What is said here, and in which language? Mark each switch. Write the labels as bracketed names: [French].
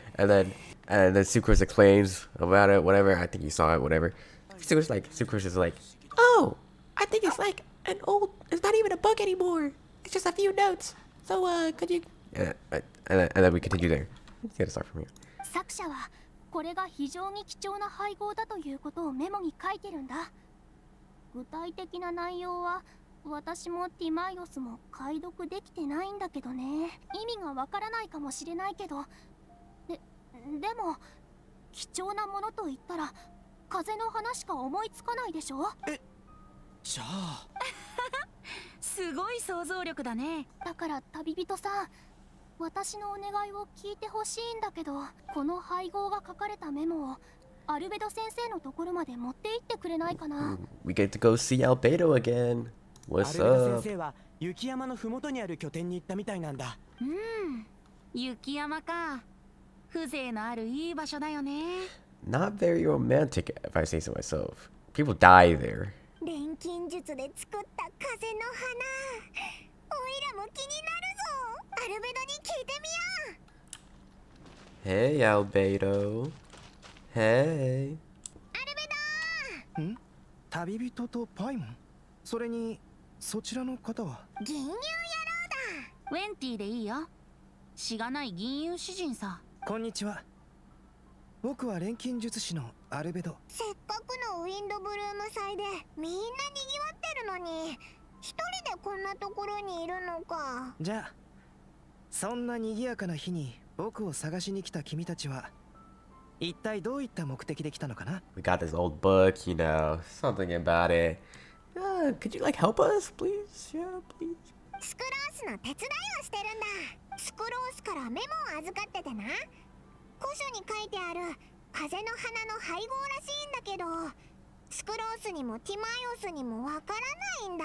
[English] And then Sucrose explains about it, whatever. I think you saw it, whatever. Sucrose is like, oh, I think it's like an old, it's not even a book anymore. It's just a few notes. So, could you? And then we continue there. Let's get a start from here. Sakushawa. [Japanese] これが非常に貴重な配合だということをメモに書いてるんだ。具体的な内容は私もティマイオスも解読できてないんだけどね。意味がわからないかもしれないけど、でも貴重なものと言ったら風の花しか思いつかないでしょ。じゃあすごい想像力だね。だから旅人さん、私のお願いを聞いてほしいんだけど、この配合が書かれたメモをアルベド先生のところまで持って行ってくれないかな。 [English] We get to go see Albedo again. What's up? [Japanese] アルベド先生は雪山の麓にある拠点に行ったみたいなんだ。うん、雪山か。風情のあるいい場所だよね。 [English] Not very romantic if I say so myself. People die there. [Japanese] 錬金術で作った風の花、オイラも気になる。アルベドに聞いてみよう。 [English] Hey, Albedo. Hey. [Japanese] アルベド。ん？旅人とパイモン。それにそちらの方は？銀遊野郎だ。ウェンティでいいよ。しがない銀遊詩人さ。こんにちは。僕は錬金術師のアルベド。せっかくのウィンドブルーム祭でみんなにぎわってるのに、一人でこんなところにいるのか。じゃあ。そんなにぎやかな日に僕を探しに来た君たちは一体どういった目的で来たのかな。 [English] We got this old book, you know, something about it. Could you like help us, please? Yeah, please. [Japanese] スクロースの手伝いをしてるんだ。スクロースからメモを預かっててな。古書に書いてある風の花の配合らしいんだけど、スクロースにもティマイオスにもわからないんだ。